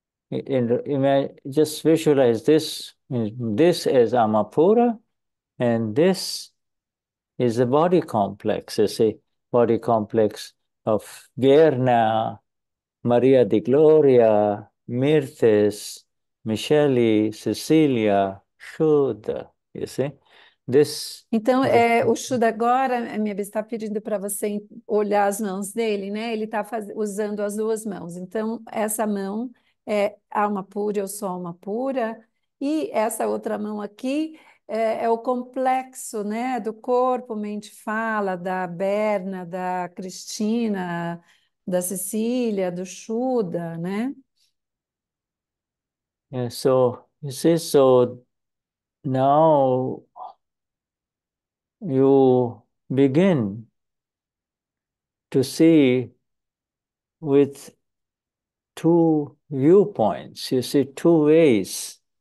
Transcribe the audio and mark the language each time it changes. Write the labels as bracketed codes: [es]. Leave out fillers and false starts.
[en] Just visualize this as Amapura, and this is a body complex, you see, body complex of Gerna, Maria di Gloria, Mirtes, Michele, Cecilia, Shuddha, you see. This [pt] Então, [en] is a [pt] o Shuddha agora, a minha está pedindo para você olhar as mãos dele, né? Ele está usando as duas mãos. Então, essa mão é alma pura, eu sou alma pura. E essa outra mão aqui é o complexo, né? Do corpo, mente, fala, da Berna, da Cristina, da Cecília, do Shuddha, né? [en] yeah, so you see, so now you begin to see with two viewpoints, you see, two ways.